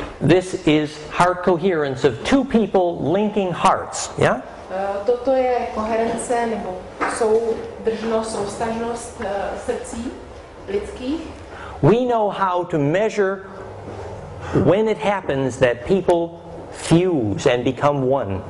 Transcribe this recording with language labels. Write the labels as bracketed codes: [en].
[en] This is heart coherence of two people linking hearts, yeah? [cs] Toto je koherence nebo soudržnost, soustažnost srdcí lidských. [en] We know how to measure when it happens that people fuse and become one.